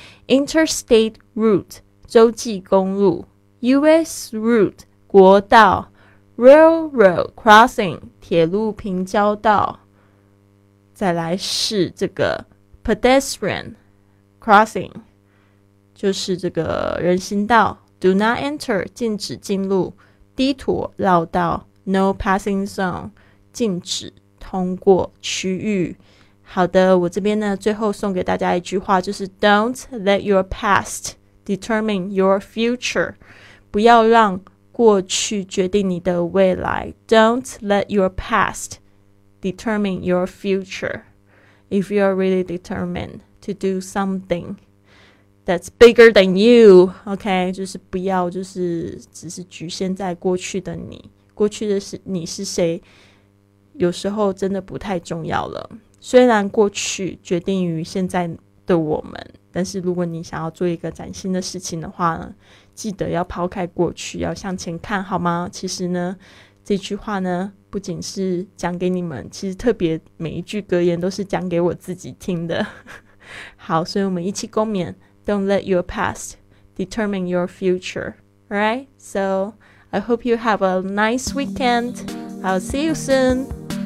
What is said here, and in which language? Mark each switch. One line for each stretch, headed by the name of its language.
Chinese: Interstate Route 洲际公路， US Route 国道，Railroad Crossing 铁路平交道，再来是这个 Pedestrian Crossing 就是这个人行道， Do not enter 禁止进入， Detour 绕道， No passing zone 禁止通过区域。好的，我这边呢最后送给大家一句话，就是
English: Don't let your past determine your future，
Chinese: 不要让过去决定你的未来。
English: Don't let your past determine your future. If you are really determined to do something that's bigger than you, OK,
Chinese: 就是不要就是只是局限在过去的你。过去的是你是谁，有时候真的不太重要了。虽然过去决定于现在的我们，但是如果你想要做一个崭新的事情的话呢，记得要抛开过去，要向前看，好吗？其实呢，这句话呢，不仅是讲给你们，其实特别每一句格言都是讲给我自己听的。好，所以我们一起共勉
English: ：Don't let your past determine your future. All right, so I hope you have a nice weekend. I'll see you soon.